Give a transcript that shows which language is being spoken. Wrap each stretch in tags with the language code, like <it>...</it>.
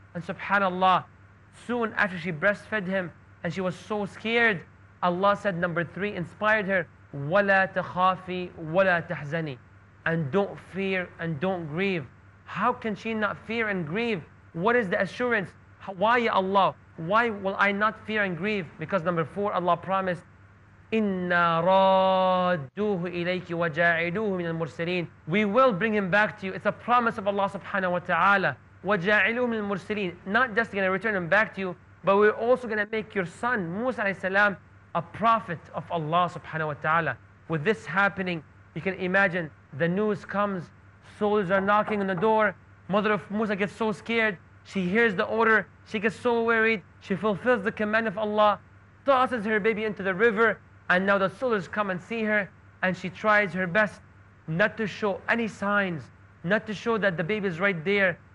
<en>And subhanAllah, soon after she breastfed him, and she was so scared, Allah said, number three, inspired her,</en> <ar>وَلَا تَخَافِي وَلَا تَحْزَنِي.</ar> <en>And don't fear and don't grieve. How can she not fear and grieve? What is the assurance? Why, Ya Allah? Why will I not fear and grieve? Because number four, Allah promised,</en> <ar>إِنَّا رَادُّوهُ إِلَيْكِ وَجَاعِلُوهُ مِنَ الْمُرْسَلِينَ.</ar> <en>We will bring him back to you. It's a promise of Allah subhanahu wa ta'ala.</en> <ar>وَجَاعِلُوهُ مِنَ الْمُرْسَلِينَ.</ar> <en>Not just going to return him back to you, but we're also going to make your son, Musa alayhi salam, a prophet of Allah subhanahu wa ta'ala. With this happening, you can imagine the news comes, soldiers are knocking on the door, mother of Musa gets so scared, she hears the order, she gets so worried, she fulfills the command of Allah, tosses her baby into the river, and now the soldiers come and see her, and she tries her best not to show any signs, not to show that the baby is right there.</en>